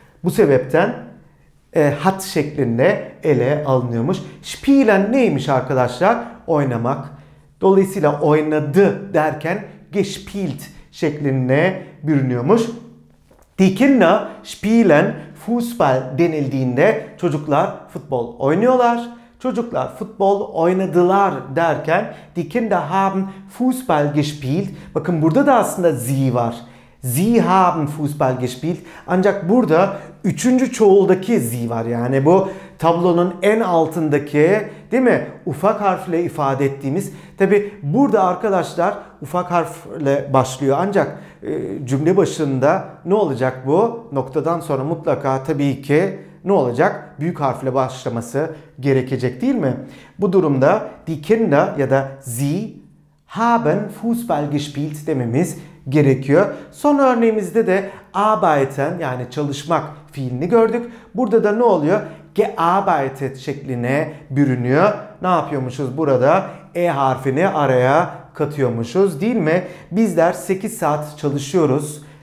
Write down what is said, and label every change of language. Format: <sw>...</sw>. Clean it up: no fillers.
<tr>Bu sebepten hat şeklinde ele alınıyormuş. Spielen neymiş arkadaşlar? Oynamak. Dolayısıyla oynadı derken gespielt şeklinde bürünüyormuş.</tr> <de>Die Kinder spielen Fußball</de> <tr>denildiğinde çocuklar futbol oynuyorlar. Çocuklar futbol oynadılar derken</tr> <de>die Kinder haben Fußball gespielt.</de> <tr>Bakın burada da aslında sie var.</tr> <de>Sie haben Fußball gespielt.</de> <tr>Ancak burada üçüncü çoğuldaki sie var. Yani bu tablonun en altındaki değil mi? Ufak harfle ifade ettiğimiz. Tabi burada arkadaşlar ufak harfle başlıyor. Ancak cümle başında ne olacak bu? Noktadan sonra mutlaka tabii ki ne olacak? Büyük harfle başlaması gerekecek değil mi? Bu durumda</tr> <de>die Kinder</de> <tr>ya da</tr> <de>sie haben Fußball gespielt</de> <tr>dememiz gerekiyor. Son örneğimizde de arbeiten yani çalışmak fiilini gördük. Burada da ne oluyor? Gearbeitet şekline bürünüyor. Ne yapıyormuşuz burada? E harfini araya katıyormuşuz değil mi? Bizler 8 saat çalışıyoruz.</tr>